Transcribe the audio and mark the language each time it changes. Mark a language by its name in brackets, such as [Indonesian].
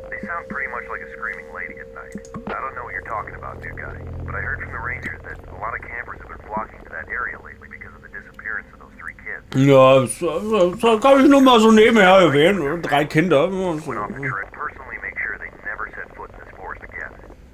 [English] Sound pretty much like a screaming lady at night. I don't know what you're talking about, new guy, but I heard from the ranger that a lot of campers have been flocking to that area lately because of the disappearance of those three kids. [German] Ja, so kann ich nur mal so nebenher erwähnen, drei Kinder. [English] Personally make sure they never set foot in this forest again.